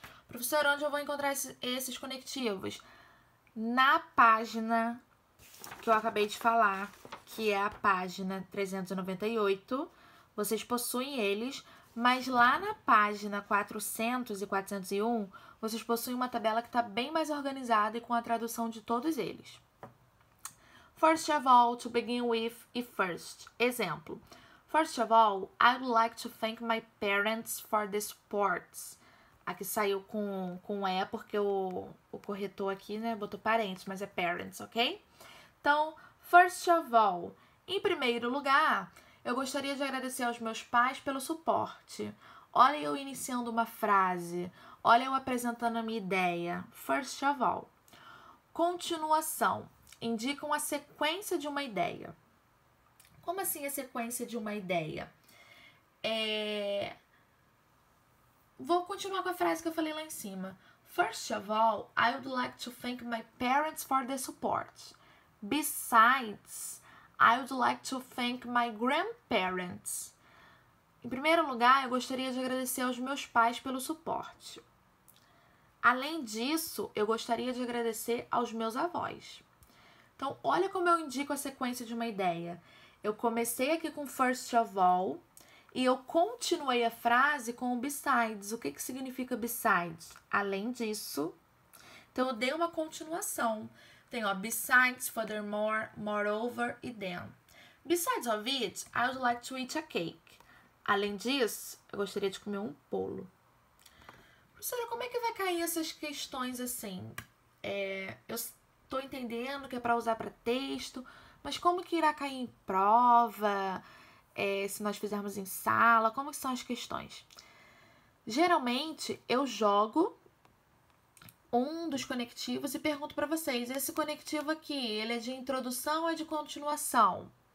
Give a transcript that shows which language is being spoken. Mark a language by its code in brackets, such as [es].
[pt] Professor, onde eu vou encontrar esses conectivos? Na página que eu acabei de falar, que é a página 398, vocês possuem eles, mas lá na página 400 e 401, vocês possuem uma tabela que está bem mais organizada e com a tradução de todos eles. [en] First of all, to begin with e first. Exemplo: First of all, I would like to thank my parents for the support. [pt] Aqui saiu com é porque o corretor aqui, né, botou parentes, mas é parents, ok? Então, [en] first of all, [pt] em primeiro lugar, eu gostaria de agradecer aos meus pais pelo suporte. Olha eu iniciando uma frase, olha eu apresentando a minha ideia. [en] First of all. [pt] Continuação. Indicam a sequência de uma ideia. Como assim a sequência de uma ideia? Vou continuar com a frase que eu falei lá em cima. [en] First of all, I would like to thank my parents for the support. Besides, I would like to thank my grandparents. [pt] Em primeiro lugar, eu gostaria de agradecer aos meus pais pelo suporte. Além disso, eu gostaria de agradecer aos meus avós. Então, olha como eu indico a sequência de uma ideia. Eu comecei aqui com [en] first of all [pt] e eu continuei a frase com o besides. O que que significa besides? Além disso. Então, eu dei uma continuação. Tem, ó, [en] besides, furthermore, moreover e then. Besides of it, I would like to eat a cake. [pt] Além disso, eu gostaria de comer um bolo. Professora, como é que vai cair essas questões assim? Eu estou entendendo que é para usar para texto, mas como que irá cair em prova? Se nós fizermos em sala, como que são as questões? Geralmente, eu jogo um dos conectivos e pergunto para vocês: esse conectivo aqui, ele é de introdução ou é de continuação?